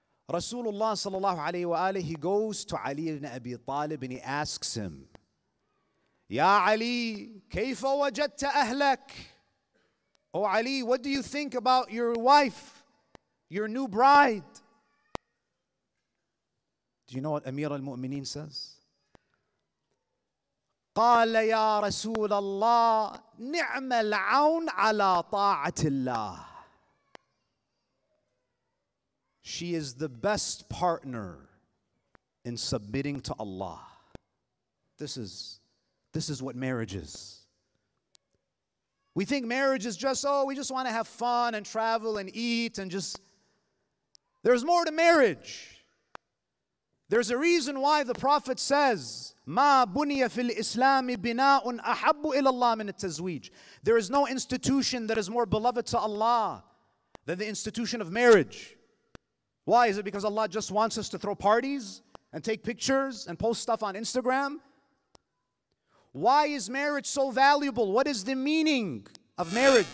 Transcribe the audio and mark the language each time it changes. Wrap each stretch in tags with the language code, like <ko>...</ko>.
<en>Rasulullah sallallahu alayhi wa alihi, he goes to Ali ibn Abi Talib and he asks him,</en> <ar>Ya Ali, kayfa wajadta ahlak?</ar> <en>O Ali, what do you think about your wife, your new bride? Do you know what Amir al-Mu'mineen says?</en> <ar>قال يا رسول الله نعم العون على طاعة الله.</ar> <en>She is the best partner in submitting to Allah. This is what marriage is. We think marriage is just, oh, we just want to have fun and travel and eat and just. There's more to marriage. There's a reason why the Prophet says,</en> <ar>ما بني في الإسلام بناء أحب إلى الله من التزويج.</ar> <en>There is no institution that is more beloved to Allah than the institution of marriage. Why? Is it because Allah just wants us to throw parties and take pictures and post stuff on Instagram? Why is marriage so valuable? What is the meaning of marriage?</en>